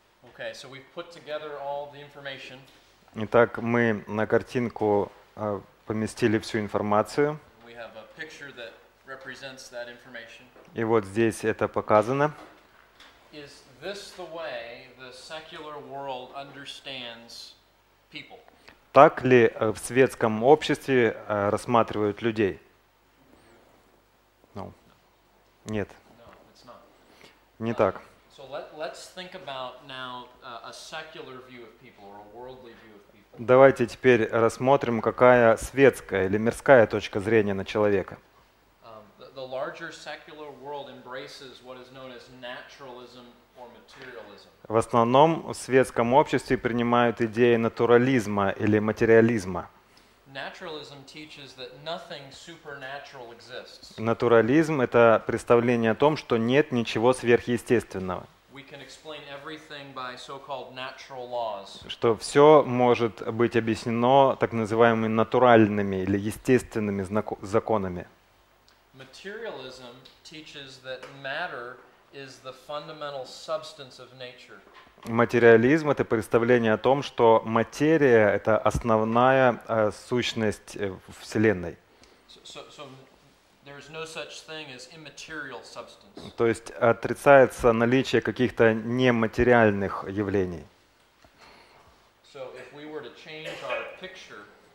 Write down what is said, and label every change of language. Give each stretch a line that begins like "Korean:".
English: Okay, so we've put together all the information.
Russian: Итак, мы на картинку поместили всю информацию.
English: We have a picture that represents that information.
Russian: И вот здесь это показано.
English: Is this the way the secular world understands people?
Russian: Так ли в светском обществе рассматривают людей?
English: No.
Russian: Нет.
English: No, it's not.
Russian: Не так.
English: So let's think about now a secular view of people or a worldly view of people.
Russian: Давайте теперь рассмотрим, какая светская или мирская точка зрения на человека.
English: The larger secular world embraces what is known as naturalism or materialism.
Russian: В основном в светском обществе принимают идеи натурализма или материализма.
English: Naturalism teaches that nothing supernatural exists.
Russian: Натурализм — это представление о том, что нет ничего сверхъестественного.
English: We can explain everything by so-called natural laws.
Russian: Что все может быть объяснено так называемыми натуральными или естественными законами.
English: Materialism teaches that matter is the fundamental substance of nature.
Russian: Материализм — это представление о том, что материя — это основная сущность Вселенной.
English: So there is no such thing as immaterial substance.
Russian: То есть отрицается наличие каких-то нематериальных явлений.
English: So if we were to change our picture,